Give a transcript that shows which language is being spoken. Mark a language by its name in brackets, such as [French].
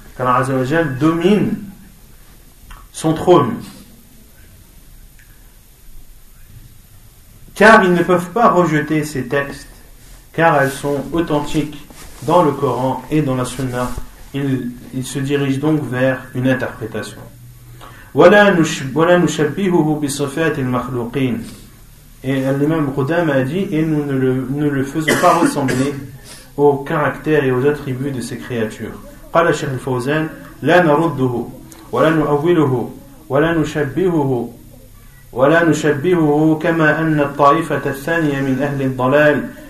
[French] Qu'Allah Azza wa Jal domine son trône. Car ils ne peuvent pas rejeter ces textes, car elles sont authentiques dans le Coran et dans la Sunna. Ils se dirigent donc vers une interprétation. [Arabic] ولا نشبهه بصفات المخلوقين. [French] Et l'imam Qudama a dit, et nous ne le faisons pas ressembler au caractère et aux attributs de ces créatures. [Arabic] قال شيخ الفوزان لا نرده ولا نؤوله ولا نشبهه ولا نشبهه كما أن الطائفة الثانية من أهل الضلال